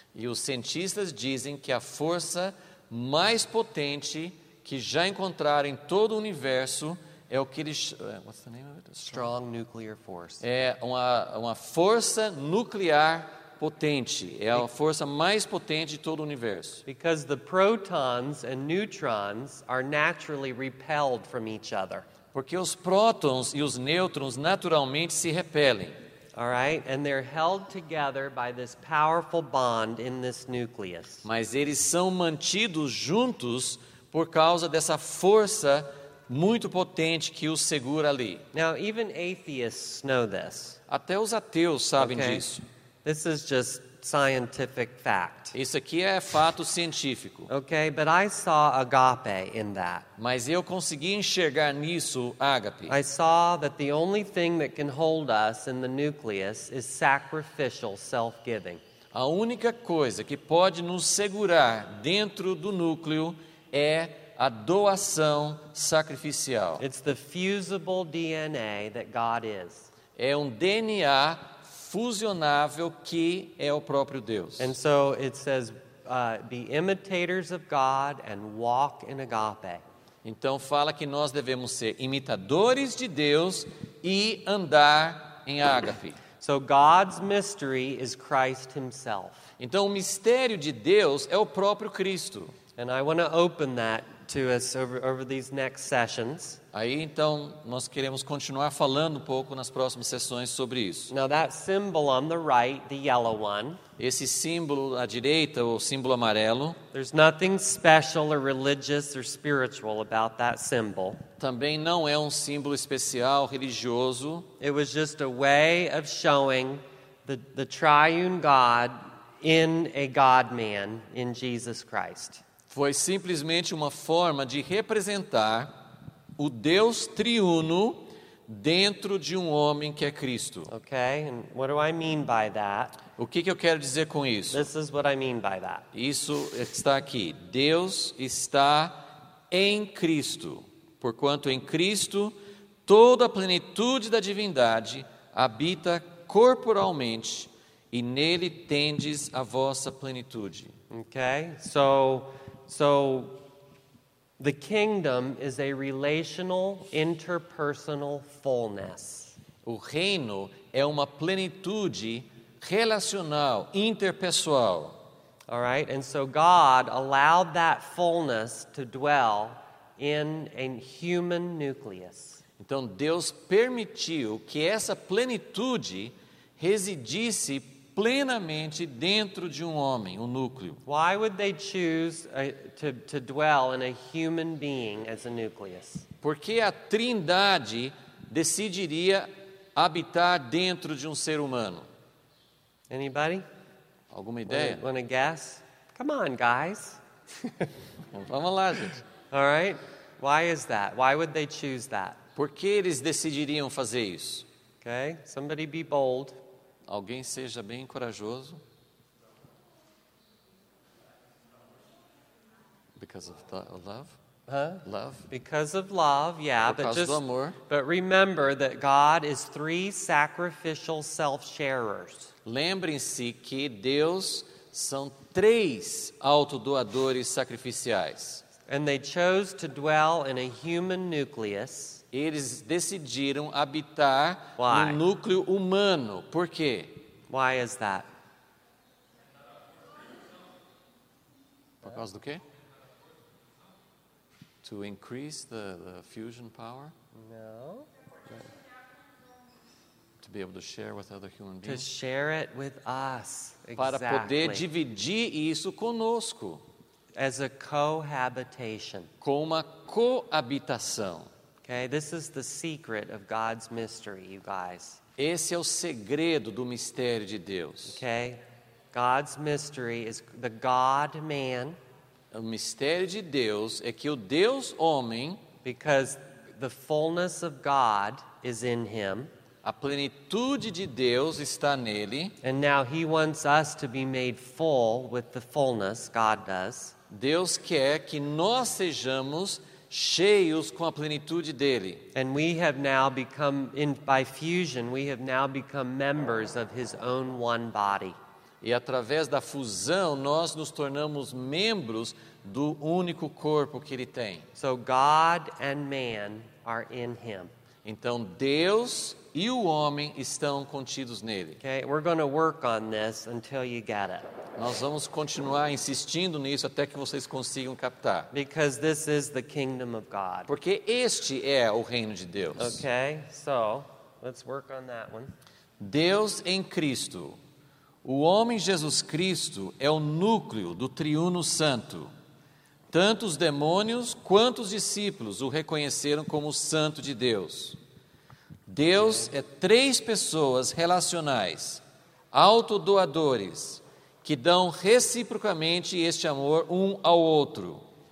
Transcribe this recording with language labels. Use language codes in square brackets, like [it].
[pt] E os cientistas dizem que a força mais potente que já encontraram em todo o universo é o que eles [en] what's the name of it? Strong nuclear force. [pt] É uma força nuclear potente, é a força mais potente de todo o universo. [en] Because the protons and neutrons are naturally repelled from each other. [pt] Porque os prótons e os nêutrons naturalmente se repelem. [en] All right, and they're held together by this powerful bond in this nucleus. [pt] Mas eles são mantidos juntos por causa dessa força muito potente que os segura ali. [en] Now, even atheists know this. [pt] Até os ateus sabem disso. [en] This is just scientific fact. [pt] Isso aqui é fato científico. [en] Okay, but I saw agape in that. [pt] Mas eu consegui enxergar nisso ágape. [en] I saw that the only thing that can hold us in the nucleus is sacrificial self-giving. [pt] A única coisa que pode nos segurar dentro do núcleo é a doação sacrificial. [en] It's the fusible DNA that God is. [pt] É DNA fusionável que é o próprio Deus. [en] And so it says, be imitators of God and walk in agape. [pt] Então fala que nós devemos ser imitadores de Deus e andar em ágape. [en] So God's mystery is Christ himself. [pt] Então o mistério de Deus é o próprio Cristo. [en] And I want to open that to us over these next sessions. [pt] Aí então nós queremos continuar falando um pouco nas próximas sessões sobre isso. [en] Now that symbol on the right, the yellow one. [pt] Esse símbolo à direita, o símbolo amarelo. [en] There's nothing special or religious or spiritual about that symbol. [pt] Também não é símbolo especial religioso. [en] It was just a way of showing the triune God in a God-man in Jesus Christ. [pt] Foi simplesmente uma forma de representar o Deus triuno dentro de homem que é Cristo. [en] Okay, and what do I mean by that? [pt] O que eu quero dizer com isso? [en] This is what I mean by that. [pt] Isso está aqui. Deus está em Cristo. Porquanto em Cristo, toda a plenitude da divindade habita corporalmente e nele tendes a vossa plenitude. [en] Okay, so... So the kingdom is a relational interpersonal fullness. [pt] O reino é uma plenitude relacional, interpessoal. [en] All right? And so God allowed that fullness to dwell in a human nucleus. [pt] Então Deus permitiu que essa plenitude residisse plenamente dentro de um homem, um núcleo. [en] Why would they choose to dwell in a human being as a nucleus? [pt] Porque a Trindade decidiria habitar dentro de um ser humano. [en] Anybody? [pt] Alguma ideia? [en] Wanna guess? Come on, guys. [pt] Vamos lá, gente. [en] All right. Why is that? Why would they choose that? [pt] Por que eles decidiriam fazer isso? [en] Okay. Somebody be bold. [pt] Alguém seja bem corajoso. [en] Because of love? Huh? Love? Because of love, yeah. [pt] Por causa do amor. [en] But remember that God is three sacrificial self-sharers. [pt] Lembrem-se que Deus são três autodoadores sacrificiais. [en] And they chose to dwell in a human nucleus. [pt] Eles decidiram habitar [en] Why? [pt] No núcleo humano. Por quê? [en] Why is that? [pt] Por causa do quê? [en] To increase the fusion power? No. To be able to share with other human beings. To share it with us. [pt] Para [en] exactly. [pt] poder dividir isso conosco. [en] As a cohabitation. [pt] Com uma coabitação. [en] Okay, this is the secret of God's mystery, you guys. [pt] Esse é o segredo do mistério de Deus. [en] Okay? God's mystery is the God-man. [pt] O mistério de Deus é que o Deus homem, [en] because the fullness of God is in him. [pt] A plenitude de Deus está nele. [en] And now he wants us to be made full with the fullness God does. [pt] Deus quer que nós sejamos cheios com a plenitude dele. [en] And we have now become, by fusion, we have now become members of his own one body. [pt] E através da fusão, nós nos tornamos membros do único corpo que ele tem. [en] So God and man are in him. [pt] Então Deus e o homem estão contidos nele. [en] Okay, we're going to work on this until you get it. [pt] Nós vamos continuar insistindo nisso até que vocês consigam captar. [en] Because this is the kingdom of God. [pt] Porque este é o reino de Deus. [en] Okay, so let's work on that one. [pt] Deus em Cristo. O homem Jesus Cristo é o núcleo do triuno santo. Tanto os demônios quanto os discípulos o reconheceram como santo de Deus. Deus é três pessoas relacionais, autodoadores, que dão reciprocamente este amor um ao outro.